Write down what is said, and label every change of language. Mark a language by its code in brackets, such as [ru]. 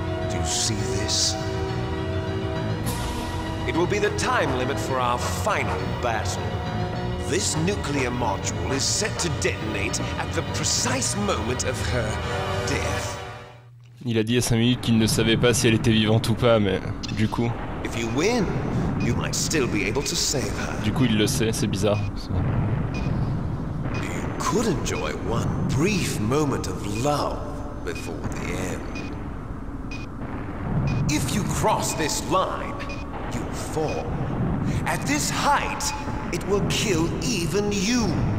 [en] Do you see this? It will be the time limit for our final battle. This nuclear module is set to detonate at the precise moment of her death. [fr] Il a dit à 5 minutes qu'il ne savait pas si elle était vivante ou pas, mais du coup... [en] If you win, you might still be able to save her. [fr] Du coup, il le sait, c'est bizarre. [en] You could enjoy one brief moment of love before the end. If you cross this line, you fall. At this height, it will kill even you.